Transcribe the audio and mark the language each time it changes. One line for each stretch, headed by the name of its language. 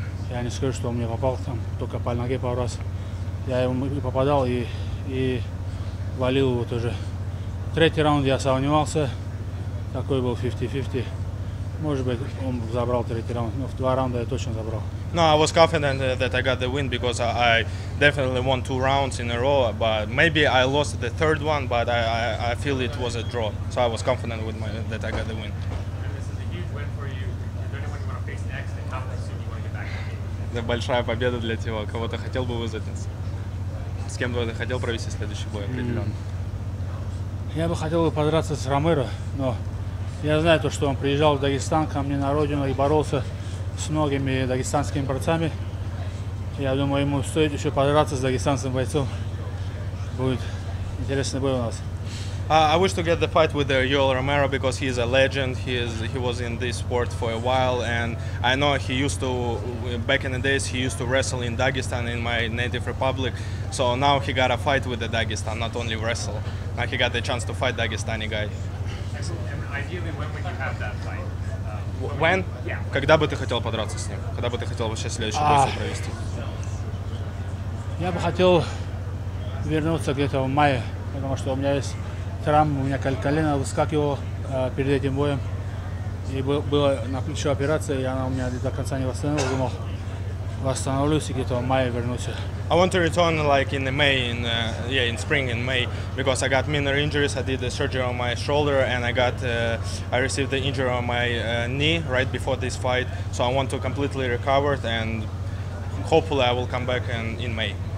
Russian: Я не скажу, что он мне попал там, только по ноге пару раз. Я ему попадал и валил его тоже. Третий раунд я сомневался, такой был 50-50. Может быть, он забрал третий раунд, но в два раунда я точно забрал.
English: No, I was confident that I got the win because I definitely won two rounds in a row, but maybe I lost the third one, but I feel it was a draw. So I was confident with my that I got the win. And this is a huge win for you. Is there anyone you want to face next and how soon you want to get back to the game?
Russian: Это большая победа для тебя. Кого ты хотел бы вызвать? С кем бы ты хотел провести следующий бой определенно? Я бы хотел бы подраться с Ромеро, но я знаю то, что он приезжал в Дагестан ко мне на родину и боролся с многими дагестанскими борцами. Я думаю, ему стоит еще подраться с дагестанским бойцом. Будет интересный бой у нас.
English: I wish to get the fight with Yoel Romero because he is a legend. He was in this sport for a while, and I know he used to, back in the days, he used to wrestle in Dagestan, in my native republic. So now he got a fight with the Dagestan, not only wrestle. Now he got the chance to fight Dagestani guy. Ideally, when would you have that fight? When? Yeah.
Russian: Когда бы ты хотел подраться с ним? Когда бы ты хотел вообще следующий бой провести? Я бы хотел вернуться где-то в мае, потому что у меня есть травма, у меня колено выскакивало перед этим боем. И была на плече операция, и она у меня до конца не восстановилась. Думал, восстановлюсь и где-то в мае вернусь.
English: I want to return like in the May, in yeah, in spring, in May, because I got minor injuries. I did the surgery on my shoulder, and I got I received the injury on my knee right before this fight. So I want to completely recover, and hopefully I will come back and in May.